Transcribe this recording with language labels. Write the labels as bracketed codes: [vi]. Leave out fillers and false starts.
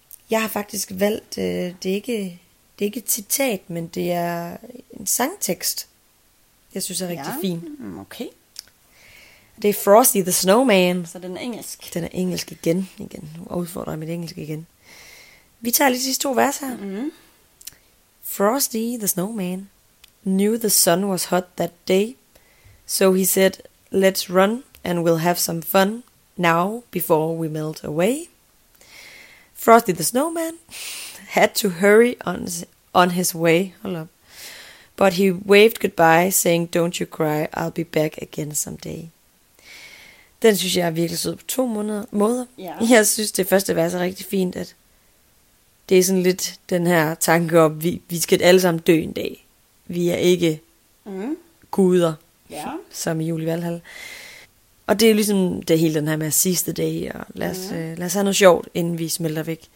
[da] Jeg har faktisk valgt, det er ikke et citat, men det er en sangtekst. Jeg synes, det er rigtig fint. Okay. Det er Frosty the Snowman. Så den er engelsk. Den er engelsk igen. Nu udfordrer jeg mit engelsk igen. Vi tager lige de sidste to vers her. Mm-hmm. [en] Frosty the Snowman knew the sun was hot that day. So he said, let's run and we'll have some fun now before we melt away. Frosty the Snowman had to hurry on his way. Hold up. But he waved goodbye, saying, don't you cry, I'll be back again someday. [da] Den synes jeg er virkelig sød på to måder. [en] Yeah. [da] Jeg synes, det første vers er rigtig fint, at det er sådan lidt den her tanke om, vi skal alle sammen dø en dag. Vi er ikke guder, som i Julie Valhall. Og det er jo ligesom det hele den her med sidste dag, og lad os have noget sjovt, inden vi smelter væk.